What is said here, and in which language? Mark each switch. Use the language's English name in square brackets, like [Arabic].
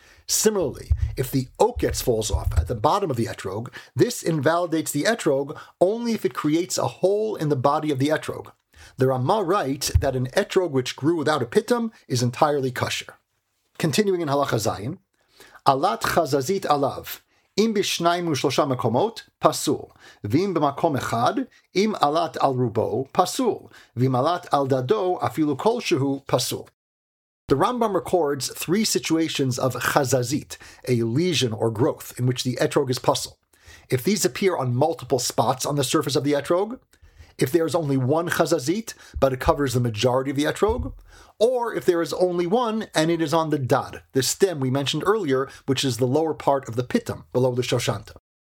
[English] Similarly, if the oketz falls off at the bottom of the etrog, this invalidates the etrog only if it creates a hole in the body of the etrog. The Rama writes that an etrog which grew without a pitam is entirely kasher. Continuing in Halacha Zayin, [Hebrew] Alat Chazazit Alav, אם בשניים ושלושה מקומות, פסול. ואם במקום אחד, אם עלת על רובו, פסול. ואם עלת על דדו, אפילו כלשהו, פסול. [English] The Rambam records three situations of chazazit, a lesion or growth, in which the etrog is pusil. If these appear on multiple spots on the surface of the etrog, if there is only one chazazit, but it covers the majority of the etrog, or if there is only one and it is on the dad, the stem we mentioned earlier, which is the lower part of the pitam, below the shoshanta.